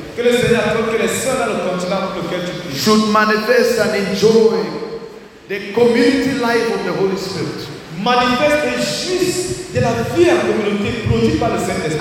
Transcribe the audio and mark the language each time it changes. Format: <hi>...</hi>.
<fr>Que le Seigneur accorde que les saints dans le continent pour lequel tu pries.</fr> <en>Should manifest and enjoy the community life of the Holy Spirit.</en> <fr>manifeste et juste de la vie en communauté produite par le Saint-Esprit.</fr>